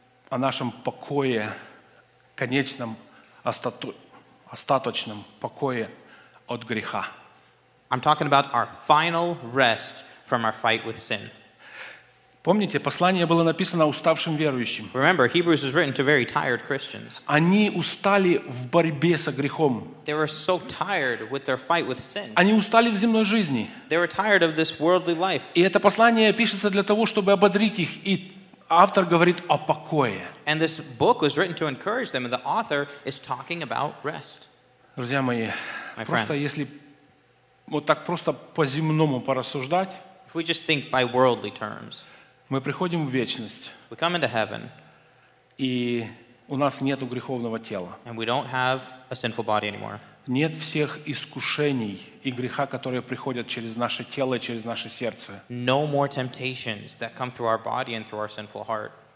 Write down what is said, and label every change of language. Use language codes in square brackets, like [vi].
[ru] О нашем покое, конечном, остаточном покое от греха. [en] I'm talking about our final rest from our fight with sin. [ru] Помните, послание было написано уставшим верующим. [en] Remember, Hebrews was written to very tired Christians. [ru] Они устали в борьбе со грехом. [en] They were so tired with their fight with sin. [ru] Они устали в земной жизни. [en] They were tired of this worldly life. [ru] И это послание пишется для того, чтобы ободрить их. И автор говорит о покое. [en] And this book was written to encourage them, and the author is talking about rest. [ru] Друзья мои, просто если вот так просто по-земному порассуждать, [en] if we just think by worldly terms, [ru] мы приходим в вечность. [en] We come into heaven, [ru] и у нас нет греховного тела. [en] And we don't have a sinful body anymore. [ru] Нет всех искушений и греха, которые приходят через наше тело и через наше сердце. [en] No more temptations that come through our body and through our sinful heart.